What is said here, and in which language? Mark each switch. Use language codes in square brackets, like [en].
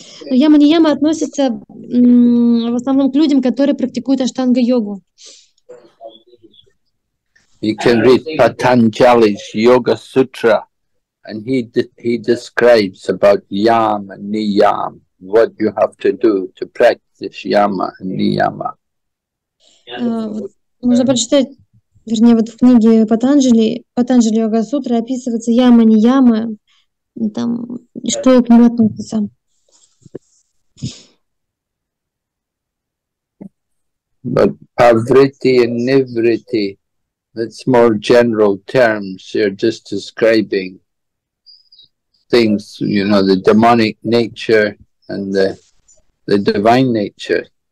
[ru] Yam and niyam относятся в основном к людям, которые практикуют Ashtanga йогу. [en] You can read Patanjali's Yoga Sutra, and he describes about yama and niyama, what you have to do to practice yama and niyama. [ru] Можно прочитать, вернее, вот в книге Патанджали, Патанджали Йога Сутра описывается яма, нияма, там, что к нему относится. [en] But pavriti and nivriti, that's more general terms. You're just describing things, you know, the demonic nature and the divine nature.